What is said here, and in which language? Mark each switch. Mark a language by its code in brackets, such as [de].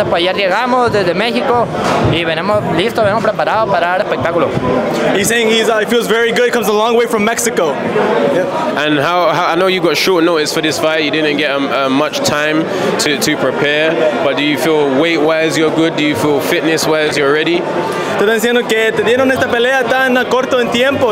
[es] Pues ya llegamos desde México y venimos listos, venimos preparados para dar espectáculo. [en] He's saying he feels very good, comes a long way from Mexico. Yeah. And how I know you got short notice for this fight. You didn't get much time to prepare, but do you feel weight wise you're good? Do you feel fitness wise you're ready? [es] Te están diciendo que te dieron esta pelea tan corto en tiempo.